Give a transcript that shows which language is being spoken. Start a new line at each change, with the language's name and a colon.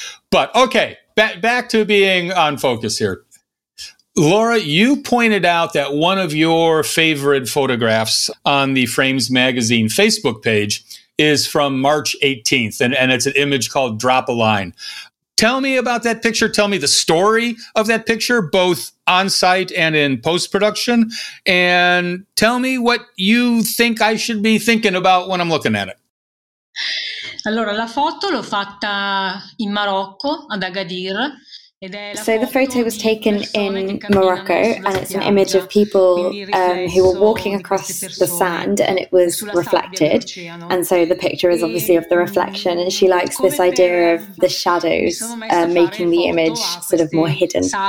English: But okay, back to being on focus here. Laura, you pointed out that one of your favorite photographs on the Frames Magazine Facebook page is from March 18th, and it's an image called Drop a Line. Tell me about that picture. Tell me the story of that picture, both on site and in post-production. And tell me what you think I should be thinking about when I'm looking at it.
Italian: Allora, la foto l'ho fatta in Marocco, ad Agadir.
English: So the photo was taken in Morocco, and it's an image of people who were walking across the sand, and it was reflected. And so the picture is obviously of the reflection, and she likes this idea of the shadows making the image sort of more hidden.